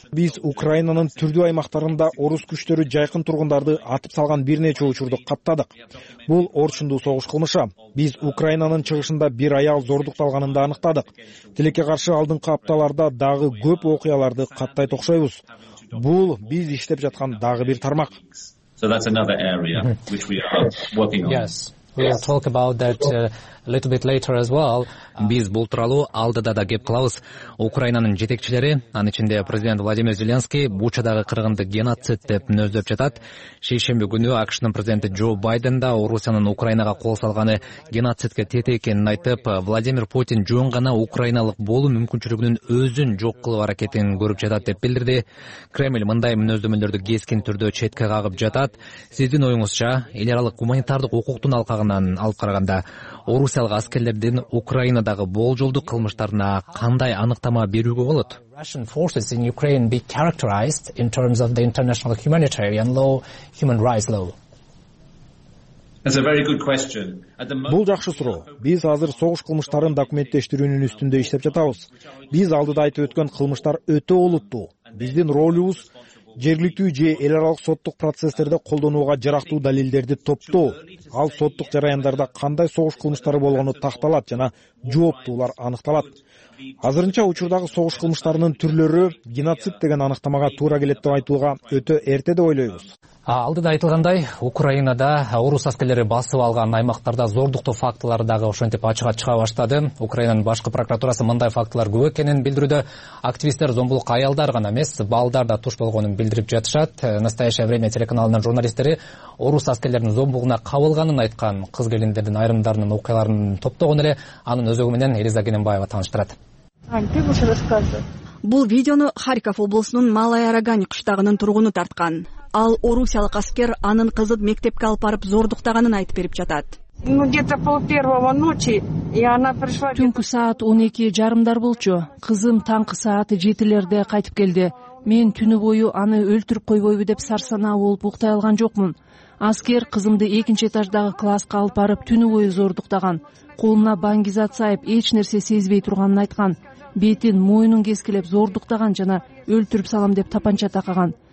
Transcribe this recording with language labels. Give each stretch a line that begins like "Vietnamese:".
Kyrgyz: Биз Украинанын түрдүү аймактарында орус күчтөрү жайкын тургундарды атып салган бир нече учурду каттадык. Бул орчундуу согуш кылмышы. Биз Украинанын чыгышында бир аял зордукталганын да аныктадык. Тилекке каршы алдыңкы апталарда дагы көп окуяларды каттайт окшойбуз. Бул биз иштеп жаткан дагы бир тармак.
English: So that's another area which we are working on. Yes. We'll talk about that a little bit later as well.
Kyrgyz: Биз бул тууралуу алдыда да кеп кылабыз. Украинанын жетекчилери, анын ичинде президент Владимир Зеленский, Бучадагы кыргынды геноцид деп мүнөздөп жатат. Шейшемби күнү АКШнын президенти Джо Байден да Орусиянын Украинага кол салганы геноцидке тетек экенин айтып, Владимир Путин жөн гана украиналык болуу мүмкүнчүлүгүнүн өзүн жок кылуу аракетин көрүп жатат деп билдирди. Кремль мындай мүнөздөмөлөрдү кескин түрдө четке кагып жатат. Сиздин оюңузча, эл аралык гуманитардык укуктун алкагынан алып караганда орусиялык аскерлердин Украинадагы болжолдуу кылмыштарына кандай аныктама берүүгө болот?
English: Russian forces in Ukraine be characterized in terms of the international humanitarian law, human rights law. That's a very good question.
Kyrgyz: Бул жакшы суроо. Биз азыр согуш кылмыштарын документтештирүүнүн үстүндө иштеп жатабыз. Биз алдыда айтып өткөн кылмыштар өтө олуттуу. Биздин ролубуз жергиликтүү же эл аралык соттук процесстерде колдонууга жарактуу далилдерди топтоо. Ал соттук жараяндарда кандай согуш кылмыштары болгону такталат жана жооптуулар аныкталат. Азырынча учурдагы согуш кылмыштарынын түрлөрү геноцид деген аныктамага туура келет деп айтууга өтө эрте деп ойлойбуз. Алдыда айтылгандай, Украинада орус аскерлери басып алган аймактарда зордуктуу фактылар дагы ошентип ачыга чыга баштады. Украинанын башкы прокуратурасы мындай фактылар көп экенин билдирүүдө. Активисттер зомбулук аялдар гана эмес, балдар да туш болгонун билдирип жатышат. Настоящее время телеканалынын журналисттери орус аскерлеринин зомбулугуна кабылганын айткан кыз келиндердин айрымдарынын окуяларын топтогон эле анын өзөгү менен Элиза Кененбаева тааныштырат. Бул видеону Харьков облусунун Малая Рогань кыштагынын тургуну тарткан. Ал орусиялык аскер анын кызын мектепке алып барып зордуктаганын айтып берип жатат.
Russian: Где-то пол первого ночи, и она пришла.
Kyrgyz: Түнкү саат 12:30 болчу. Кызым таңкы саат 7:00 кайтып келди. Мен түнү бою аны өлтүрүп койбойбу деп сарсана болуп уктай алган жокмун. Аскер кызымды экинчи этаждагы класска алып барып түнү бою зордуктаган. колуна баңги зат сайып эч нерсе сезбей турганын айткан. Бетин мойнун кескилеп зордуктаган жана өлтүрүп салам деп тапанча такаган.